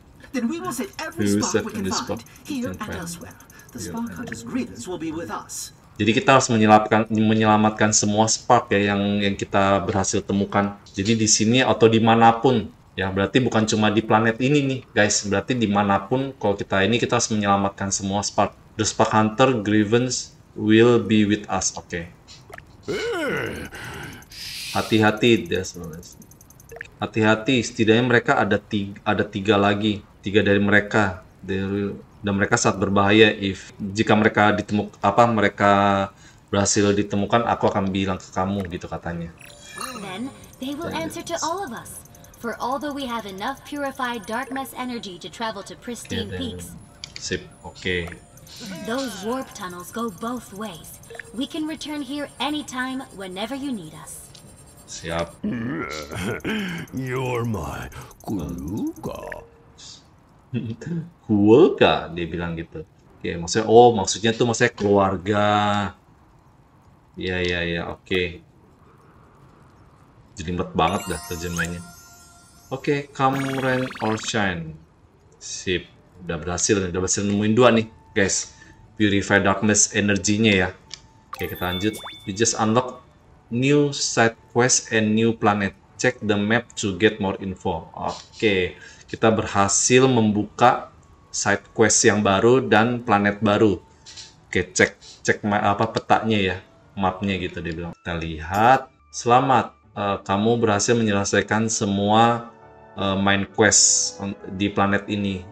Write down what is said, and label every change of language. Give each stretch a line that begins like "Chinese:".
English: Then we will set every spark we can find spark here and elsewhere. The spark hunter's grievance will be with us.
Indonesian: Jadi kita harus menyelamatkan semua spark ya yang kita berhasil temukan. Jadi di sini atau dimanapun ya, berarti bukan cuma di planet ini nih guys. Berarti dimanapun kalau kita ini, kita harus menyelamatkan semua spark.
English: The spark hunter grievance will be with us. Okay. Hati-hati, that's all.
Indonesian: Hati-hati, setidaknya mereka ada tiga lagi. Tiga dari mereka. Dan mereka sangat berbahaya. Jika mereka mereka berhasil ditemukan, aku akan bilang ke kamu, gitu katanya.
English: Then they will answer to all of us. For although we have enough purified darkness energy to travel to pristine peaks. Sip, okay. Those warp tunnels go both ways. We can return here anytime, whenever you need us.
Indonesian: Siap.
English: You're my Kuruka.
Indonesian: Kuruka, dia bilang gitu. Oke, okay, maksudnya keluarga. Iya, oke. Okay. Jelimet banget dah terjemahnya. Oke, okay,
English: come rain or shine.
Indonesian: Sip, udah berhasil nemuin dua nih, guys. Purify darkness energinya ya. Oke, okay, kita lanjut.
English: We just unlock new side quest and new planet. Check the map to get more info. Oke, okay.
Indonesian: Kita berhasil membuka side quest yang baru dan planet baru. Oke, okay, cek petanya ya, mapnya gitu dia bilang. Kita lihat. Selamat, kamu berhasil menyelesaikan semua main quest di planet ini.